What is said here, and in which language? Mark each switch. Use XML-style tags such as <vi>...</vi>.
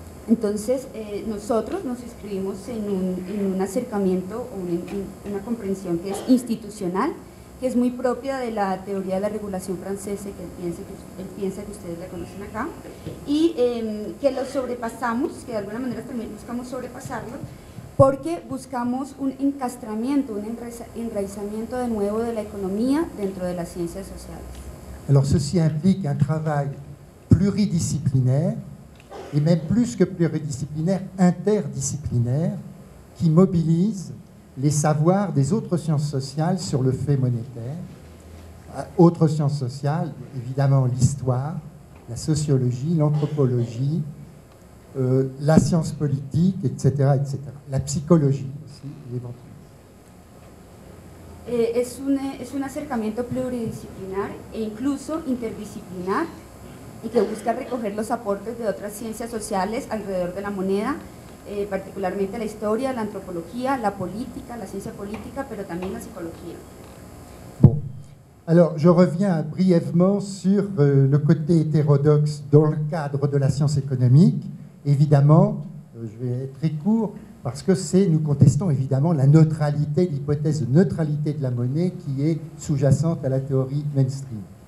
<es>Entonces, nosotros nos inscribimos en un acercamiento, una comprensión que es institucional, que es muy propia de la teoría de la regulación francesa, que él piensa que ustedes la conocen acá, y que lo sobrepasamos, que de alguna manera también buscamos sobrepasarlo, porque buscamos un encastramiento, un enraizamiento de nuevo de la economía dentro de las ciencias sociales.</es> <fr>Alors, ceci implique un travail pluridisciplinaire, et même plus que pluridisciplinaire, interdisciplinaire, qui mobilise les savoirs des autres sciences sociales sur le fait monétaire. Autres sciences sociales, évidemment l'histoire, la sociologie, l'anthropologie, la science politique, etc., etc. La psychologie aussi, éventuellement.</fr> <es>Es un acercamiento pluridisciplinar e incluso interdisciplinar y que busca recoger los aportes de otras ciencias sociales alrededor de la moneda, particularmente la historia, la antropología, la política, la ciencia política, pero también la psicología.</es> <fr>Bon. Alors, je reviens brièvement sur le côté hétérodoxe dans le cadre de la science économique. Évidemment, je vais être très court, parce que nous contestons évidemment la neutralité, l'hypothèse de neutralité de la monnaie qui est sous-jacente à la théorie mainstream.</fr>